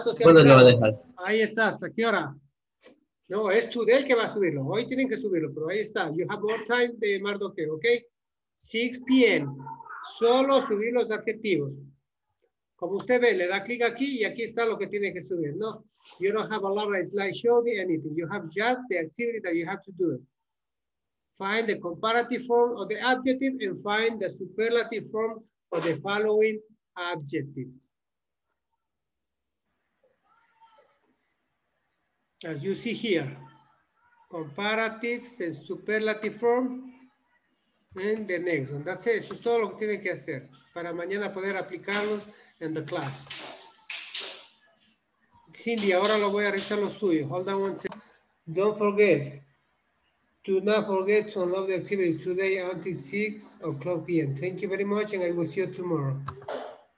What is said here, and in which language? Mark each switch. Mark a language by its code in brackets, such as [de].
[es] social. ¿Cuándo lo dejas? Ahí está, ¿hasta qué hora? No, es today que va a subirlo. Hoy tienen que subirlo, pero ahí está. [en] You have more time [es] de Mardoque, ¿ok? 6 p.m. Solo subir los adjetivos. Como usted ve, le da clic aquí y aquí está lo que tiene que subir, ¿no? [en] You don't have a lot of slideshow or anything. You have just the activity that you have to do. Find the comparative form of the adjective and find the superlative form of the following adjectives. As you see here, comparatives and superlative form and the next one. That's it. [es] Eso es todo lo que tiene que hacer para mañana poder aplicarlos en la clase. Cindy, ahora lo voy a revisar lo suyo. [en] Hold on one second. Don't forget. Do not forget to unlock the activity today until 6 o'clock p.m. Thank you very much and I will see you tomorrow.